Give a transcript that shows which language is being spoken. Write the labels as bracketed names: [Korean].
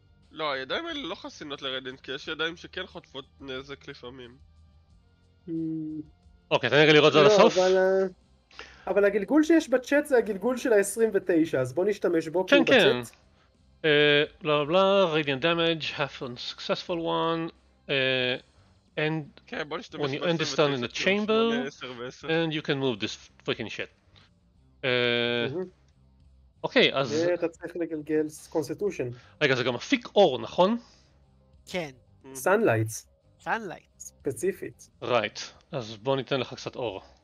[Hebrew] לא, הידיים האלה לא חסינות לרדיאנט, כי יש ידיים שכן חוטפות נזק לפעמים. אוקיי, תן לי לראות את זה לסוף. אבל הגלגול שיש בצ'אט זה הגלגול של ה-29, אז בוא נשתמש בו כן, כן. בלה בלה בלה, רדיאנט דמג' [English] half on successful one. And okay, when you end this turn in the chamber, and you can move this fucking shit. [Hebrew] Okay, אז... אתה צריך לגלגל constitution. רגע, זה גם מפיק אור, נכון? כן. [English] Sunlight. Sunlight. [Hebrew] ספציפית. Right. אז בוא ניתן לך קצת אור.